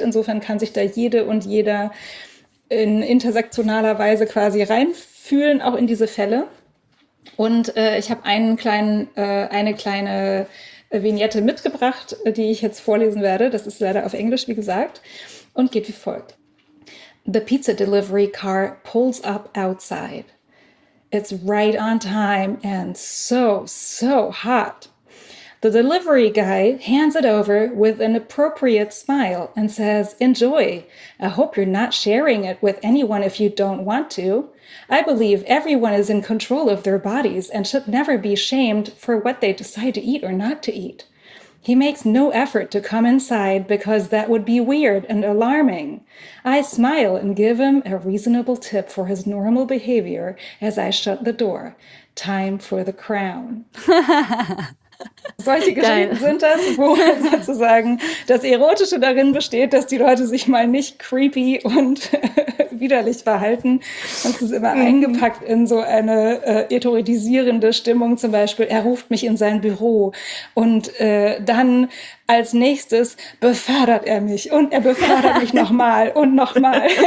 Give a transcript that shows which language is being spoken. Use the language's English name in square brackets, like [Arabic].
[German] Insofern kann sich da jede und jeder in intersektionaler Weise quasi reinfühlen, auch in diese Fälle. Und ich habe eine kleine Vignette mitgebracht, die ich jetzt vorlesen werde. Das ist leider auf Englisch, wie gesagt, und geht wie folgt. [English] The pizza delivery car pulls up outside. It's right on time and so, so hot. The delivery guy hands it over with an appropriate smile and says, "Enjoy. I hope you're not sharing it with anyone if you don't want to. I believe everyone is in control of their bodies and should never be shamed for what they decide to eat or not to eat." He makes no effort to come inside because that would be weird and alarming. I smile and give him a reasonable tip for his normal behavior as I shut the door. Time for the crown. [German] Solche Geschichten sind das, wo sozusagen das Erotische darin besteht, dass die Leute sich mal nicht creepy und widerlich verhalten. Und es ist immer eingepackt in so eine erotisierende Stimmung. Zum Beispiel, er ruft mich in sein Büro und dann als nächstes befördert er mich und er befördert mich nochmal und nochmal.